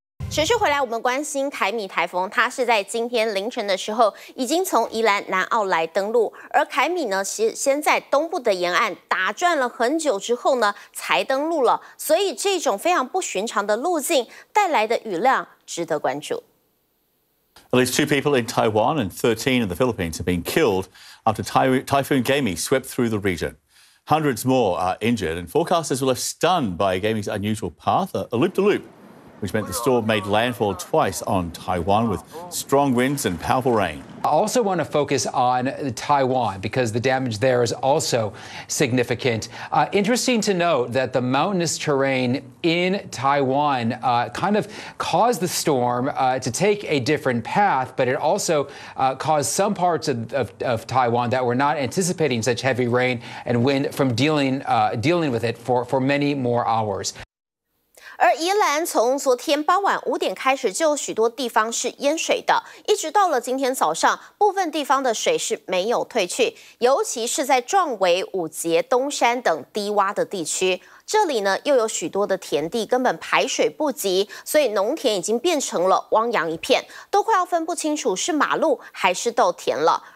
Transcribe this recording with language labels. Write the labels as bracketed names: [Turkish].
[Chinese] 持续回来，我们关心凯米台风，它是在今天凌晨的时候已经从宜兰南澳来登陆，而凯米呢是先在东部的沿岸打转了很久之后呢才登陆了，所以这种非常不寻常的路径带来的雨量值得关注。 [English] At least 2 people in Taiwan and 13 in the Philippines have been killed after Typhoon Gaimi swept through the region. Hundreds more are injured, and forecasters were left stunned by Gaimi's unusual path, a loop-de-loop. which meant the storm made landfall twice on Taiwan with strong winds and powerful rain. I also want to focus on Taiwan because the damage there is also significant. Interesting to note that the mountainous terrain in Taiwan kind of caused the storm to take a different path, but it also caused some parts of Taiwan that were not anticipating such heavy rain and wind from dealing with it for many more hours. [Chinese] 而宜兰从昨天傍晚五点开始，就许多地方是淹水的，一直到了今天早上，部分地方的水是没有退去，尤其是在壮围、五节、东山等低洼的地区，这里呢又有许多的田地根本排水不及，所以农田已经变成了汪洋一片，都快要分不清楚是马路还是稻田了。